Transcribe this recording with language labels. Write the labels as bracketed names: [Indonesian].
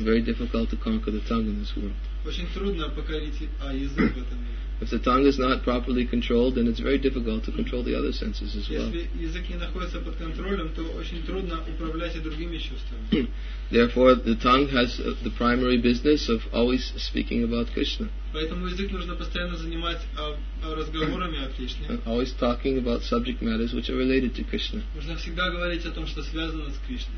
[English] Very difficult to conquer the tongue in this world. [Russian] Очень трудно покорить язык в этом мире. [English] If the tongue is not properly controlled, then it's very difficult to control the other senses as well. [Russian] Если язык не находится под контролем, то очень трудно управлять и другими чувствами. [English] Therefore, the tongue has the primary business of always speaking about Krishna. [Russian] Поэтому язык нужно постоянно занимать разговорами о Кришне. [English] Always talking about subject matters which are related to Krishna. [Russian] Нужно всегда говорить о том, что связано с Кришной.